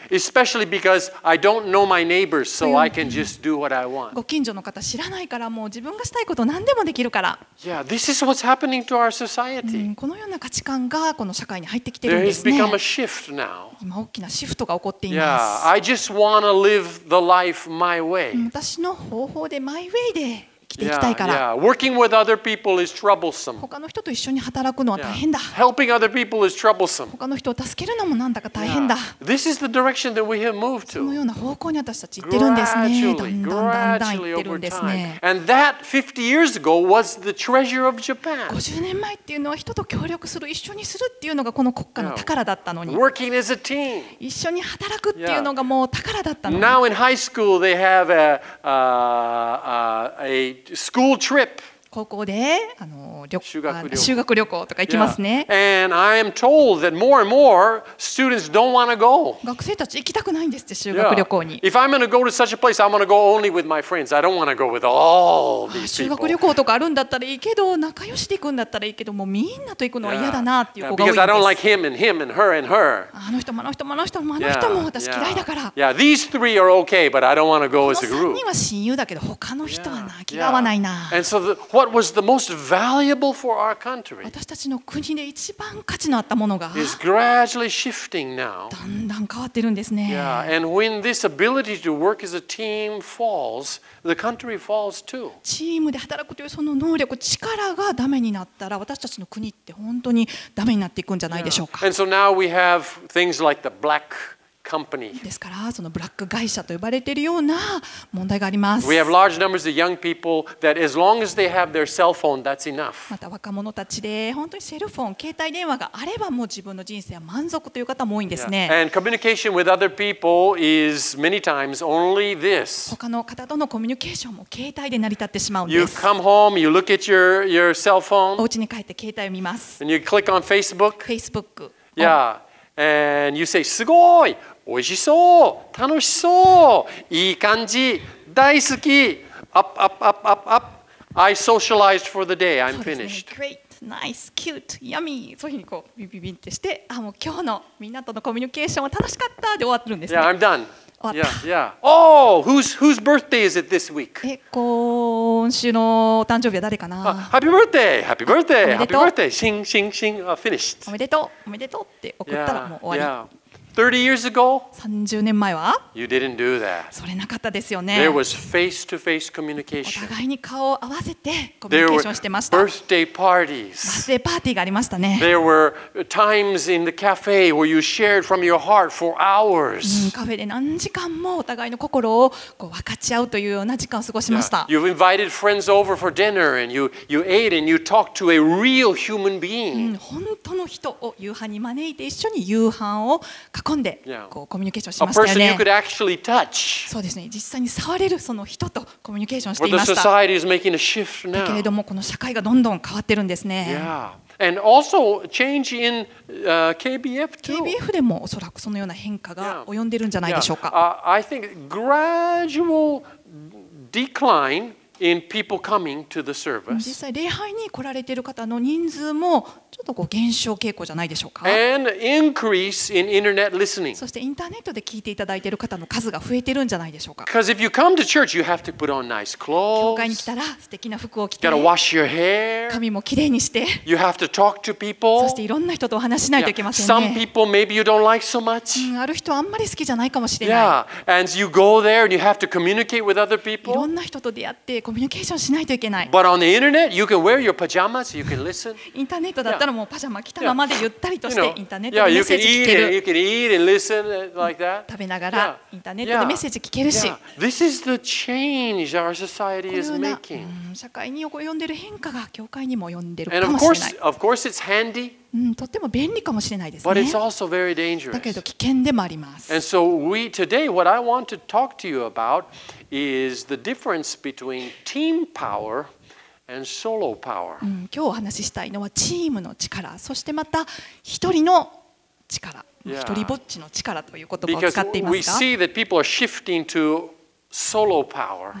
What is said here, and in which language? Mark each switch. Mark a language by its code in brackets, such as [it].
[en] Especially because I don't know my neighbors, so I can just do what I want. [ja] ご近所の方知らないからもう自分がしたいこと何でもできるから。 [en] Yeah, this is what's happening to our society. [ja] このような価値観がこの社会に入ってきてるんですね。 [en] There has become a shift now. [ja] 今大きなシフトが起こっています。 [en] Yeah, I just want to live the life my way. [ja] 私の方法で [en] my way [ja] で生きていきたいから。 [en] Yeah, yeah. Working with other people is troublesome. [ja] 他の人と一緒に働くのは大変だ。 [en] Yeah. Helping other people is troublesome. [ja] 他の人を助けるのもなんだか大変だ。 [en] Yeah. This is the direction that we have moved to. [ja] そのような方向に私たち行ってるんですね。だんだんだんだん行ってるんですね。 [en] And that 50 years ago was the treasure of Japan. [ja] 50年前っていうのは人と協力する、一緒にするっていうのがこの国家の宝だったのに。 [en] Yeah. Working as a team. [ja] 一緒に働くっていうのがもう宝だったのに。 [en] Now in high school they have a school trip. [ja] 高校で修学旅行とか行きますね。 [en] Yeah. And I am told that more and more students don't want to go. [ja] 学生たち行きたくないんですって修学旅行に。 [en] Yeah. If I'm going to go to such a place, I'm going to go only with my friends. I don't want to go with all these people. [ja] 修学旅行とかあるんだったらいいけど、仲良しで行くんだったらいいけど、もうみんなと行くのは嫌だなっていう子が多いんです。 [en] Because I don't like him and him and her and her. [ja] あの人もあの人もあの人もあの人も私嫌いだから。 [en] Yeah, these three are okay, but I don't want to go as a group. [ja] この3人は親友だけど、他の人はな嫌わないな。 [en] And so what was the most valuable for our country? [ja] 私たちの国で一番価値のあったものが [en] is gradually shifting now. [ja] だんだん変わってるんですね。 [en] Yeah, and when this ability to work as a team falls, the country falls too. [ja] チームで働くというその能力、力がダメになったら、私たちの国って本当にダメになっていくんじゃないでしょうか。 [en] And so now we have things like the black company. [ja] ですから、そのブラック会社と呼ばれているような問題があります。 [en] We have large numbers of young people that as long as they have their cell phone, that's enough. [ja] また若者たちで本当にセルフォン、携帯電話があればもう自分の人生は満足という方も多いんですね。 [en] And communication with other people is many times only this. [ja] 他の方とのコミュニケーションも携帯で成り立ってしまうんです。 [en] You come home, you look at your cell phone. [ja] お家に帰って携帯を見ます。 [en] And you click on Facebook. Facebook. Yeah. And you say, [ja] すごい、おいしそう、楽しそう、いい感じ、大好き、 [en] up, up, up, up, up. I socialized for the day. I'm finished. Great, nice, cute, yummy. [ja] そういうふうにこうビビビってして、あ、もう今日のみんなとのコミュニケーションは楽しかったで終わってるんですね。 [en] Yeah, I'm done. [ja] 終わった。 [en] Yeah, yeah. Oh, whose birthday is it this week? [ja] 今週の誕生日は誰かな。 [en] Happy birthday! Happy birthday! Happy birthday! Sing, sing, sing. Finished. [ja] おめでとう、おめでとうって送ったらもう終わり。 [en] Yeah, yeah. 30 years ago? [ja] 30年前は? [en] You didn't do that. [ja] それなかったですよね。 [en] There was face-to-face communication. [ja] お互いに顔を合わせてコミュニケーションしてました。 [en] There were birthday parties. [ja] バースデーパーティーがありましたね。 [en] There were times in the cafe where you shared from your heart for hours. [ja] カフェで何時間もお互いの心をこう分かち合うというような時間を過ごしました。 [en] Yeah. You've invited friends over for dinner and you ate and you talked to a real human being. [ja] 本当の人を夕飯に招いて一緒に夕飯を囲んでこうコミュニケーションしましたよね。 [en] A person you could actually touch. [ja] そうですね、実際に触れるその人とコミュニケーションしていました。 [en] But the society is making a shift now. [ja] だけれどもこの社会がどんどん変わってるんですね。 [en] Yeah. And also change in KBF too. [ja] KBF でもおそらくそのような変化が及んでるんじゃないでしょうか。 [en] Yeah. I think gradual decline in people coming to the service. [ja] 実際礼拝に来られている方の人数もちょっとこう減少傾向じゃないでしょうか。 [en] And increase in internet listening. [ja] そしてインターネットで聞いていただいている方の数が増えているんじゃないでしょうか。 [en] Because if you come to church, you have to put on nice clothes. [ja] 教会に来たら素敵な服を着て、 [en] You gotta wash your hair. [ja] 髪もきれいにして、 [en] You have to talk to people. [ja] そしていろんな人とお話しないといけませんね。 [en] Some people maybe you don't like so much. [ja] ある人はあんまり好きじゃないかもしれない。 [en] Yeah, and you go there and you have to communicate with other people. [ja] いろんな人と出会ってコミュニケーションしないといけない。 [en] But on the internet, you can wear your pajamas, you can listen. [ja] インターネットだったらもうパジャマ着たままでゆったりとしてインターネットでメッセージ聞ける。食べながらインターネットでメッセージ聞けるし。 [en] This is the change our society is making. [ja] 社会に及んでる変化が教会にも及んでるかもしれない。 [en] And of course it's handy. [ja] とても便利かもしれないですね。 [en] But it's also very dangerous. [ja] だけど危険でもあります。 [en] And so we today what I want to talk to you about is the difference between team power. And solo power. [ja] 今日お話ししたいのはチームの力、そしてまた一人の力、一人ぼっちの力という言葉を使っていますが、 [en] Because we see that people are shifting to solo power.